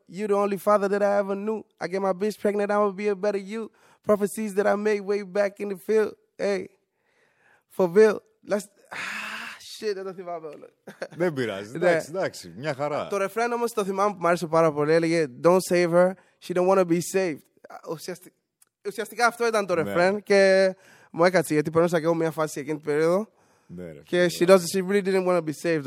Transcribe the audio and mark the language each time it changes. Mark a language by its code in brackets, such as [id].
[en] You the only father that I ever knew. I get my bitch pregnant, I'ma be a better you. Prophecies that I made way back in the field. Hey. For real, let's [el] Shit, δεν το θυμάμαι όλο. Δεν πειράζει. Εντάξει, εντάξει, μια χαρά. Το ρεφρέν όμως το θυμάμαι που μου άρεσε πάρα πολύ. Έλεγε [en] Don't save her, she don't wanna be saved. [el] Ουσιαστικά αυτό ήταν το ρεφρέν και μου έκατσε γιατί περνούσα και εγώ μια φάση εκείνη την περίοδο. Και [en] she doesn't, she really didn't wanna be saved.